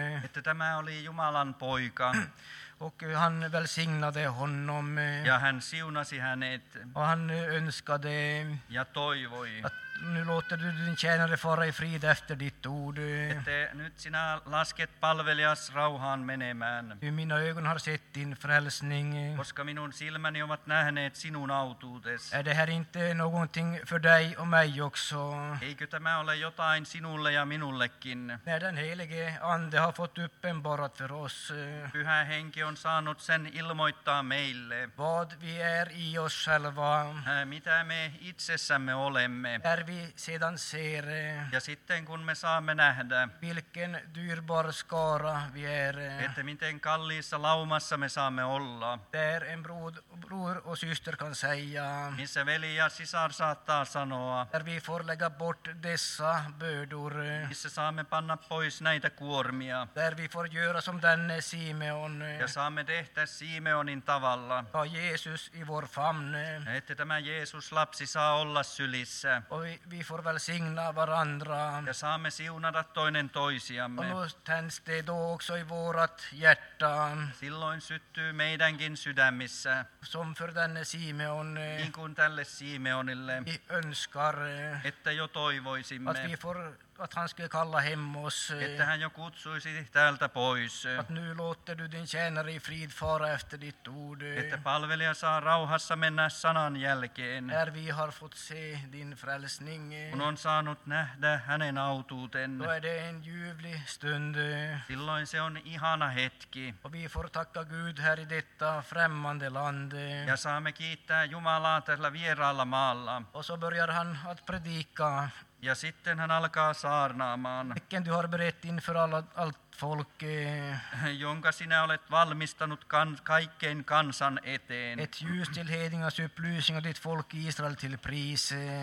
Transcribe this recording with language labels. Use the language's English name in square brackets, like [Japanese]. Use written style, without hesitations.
[Finnish] Että tämä oli Jumalan poika. [Swedish] Och han välsignade honom. [Finnish] Ja hän siunasi hänet. [Swedish] Och han önskade. [Finnish] Ja toivoi. [Swedish] Nu låter du din tjänare fara i frid efter ditt ord. [Finnish] Ette, nyt sinä lasket palvelias rauhaan menemään. [Swedish] Mina ögon har sett din frälsning. [Finnish] Koska minun silmäni ovat nähneet sinun autuutes. [Swedish] Är det här inte någonting för dig och mig också? [Finnish] Eikö tämä ole jotain sinulle ja minullekin? [Swedish] När den helige ande har fått uppenbarat för oss. [Finnish] Pyhä henki on saanut sen ilmoittaa meille. [Swedish] Vad vi är i oss själva. [Finnish] Mitä me itsessämme olemme. [Swedish] När vi sedan ser, [Finnish] ja sitten kun me saamme nähdä, [Swedish] vilken dyrbar skara vi är, [Finnish] että miten kalliissa laumassa me saamme olla, [Swedish] där en bror och syster kan säga, [Finnish] missä veli ja sisar saattaa sanoa, [Swedish] där vi får lägga bort dessa bördor, [Finnish] missä saamme panna pois näitä kuormia, [Swedish] där vi får göra som denne Simeon, [Finnish] ja saamme tehdä Simeonin tavalla, [Swedish] ja Jesus i vår famn, [Finnish] että tämä Jeesus lapsi saa olla sylissä. [Swedish] Och vi får välsigna varandra. [Finnish] Ja saamme siunata toinen toisiamme. [Swedish] Och då tänds det då också i vårat hjärta. [Finnish] Silloin syttyy meidänkin sydämissä. [Swedish] Som för denne Simeon. [Finnish] Niin kuin tälle Simeonille. [Swedish] Vi önskar. [Finnish] Että jo toivoisimme. [Swedish] Att vi får, att han skulle kalla hem oss. [Finnish] Että hän jo kutsuisi täältä pois. [Swedish] Att nu låter du din tjänare i frid fara efter ditt ord. [Finnish] Että palvelija saa rauhassa mennä sanan jälkeen. [Swedish] När vi har fått se din frälsning. [Finnish] Kun on saanut nähdä hänen autuuten. [Swedish] Då är det en ljuvlig stund. [Finnish] Silloin se on ihana hetki. [Swedish] Och vi får tacka Gud här i detta främmande land. [Finnish] Ja saamme kiittää Jumalaa tällä vieraalla maalla. [Swedish] Och så börjar han att predika. [Finnish] Ja sitten hän alkaa saarnaamaan. [Swedish] Vilken du har berett inför allt folk. [Finnish] Jonka sinä olet valmistanut kaikkein kansan eteen. [Swedish] Ett ljus till hedningars upplysning och ditt folk Israel till pris.